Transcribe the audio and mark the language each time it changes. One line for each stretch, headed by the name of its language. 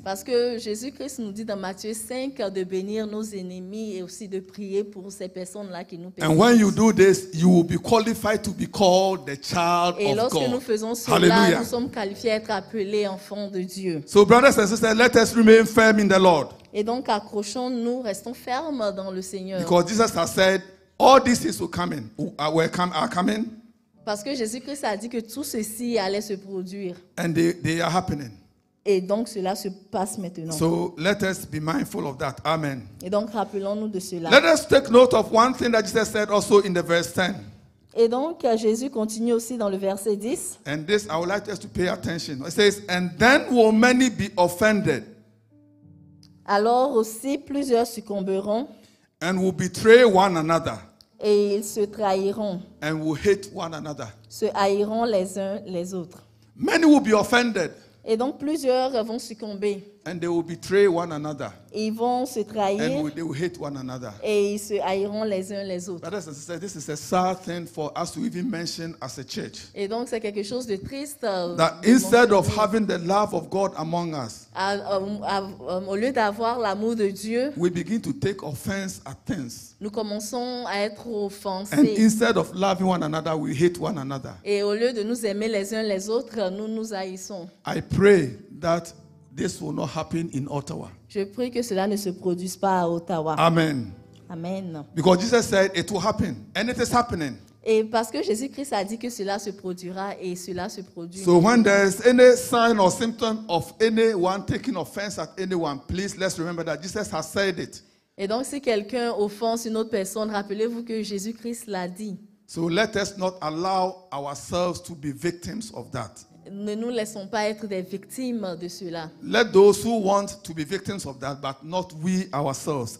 French: Parce que Jésus-Christ nous dit dans Matthieu 5 de bénir nos ennemis et aussi de prier pour ces personnes-là qui nous persécutent.
English: And when you do this, you will be qualified to be called the child of God.
French: Et lorsque nous faisons cela, hallelujah, nous sommes qualifiés à être appelés enfants de Dieu.
English: So brothers and sisters, let us remain firm in the Lord.
French: Et donc accrochons-nous, restons fermes dans le Seigneur.
English: Because Jesus has said, all these things will come in, are coming.
French: Parce que Jésus-Christ a dit que tout ceci allait se produire.
English: And they are happening.
French: Et donc cela se passe maintenant.
English: So let us be mindful of that. Amen.
French: Et donc rappelons-nous de cela.
English: Let us take note of one thing that Jesus said also in the verse 10.
French: Et donc Jésus continue aussi dans le verset 10.
English: And this I would like us to pay attention. It says, and then will many be offended.
French: Alors aussi plusieurs succomberont.
English: And will betray one another.
French: Et ils se trahiront.
English: And will hate one another.
French: Se haïront les uns les autres.
English: Many will be offended.
French: Et donc plusieurs vont succomber.
English: And they will betray one another.
French: Ils vont se trahir.
English: And they will hate one another.
French: Et ils se haïront les uns les autres.
English: This is a sad thing for us to even mention as a church.
French: Et donc c'est quelque chose de triste.
English: That instead of having the love of God among us,
French: au lieu d'avoir l'amour de Dieu,
English: we begin to take offense at things.
French: Nous commençons à être offensés.
English: And instead of loving one another, we hate one another.
French: Et au lieu de nous aimer les uns les autres, nous nous haïssons.
English: I pray that this will not happen in Ottawa.
French: Je prie que cela ne se produise pas à Ottawa. Amen. Amen.
English: Because Jesus said it will happen, and it is happening.
French: Et parce que Jésus-Christ a dit que cela se produira et cela se produit.
English: So when there is any sign or symptom of anyone taking offense at anyone, please let's remember that Jesus has said it.
French: Et donc si quelqu'un offense une autre personne, rappelez-vous que Jésus-Christ l'a dit.
English: So let us not allow ourselves to be victims of that.
French: Ne nous laissons pas être des victimes de cela.
English: Let those who want to be victims of that, but not we ourselves.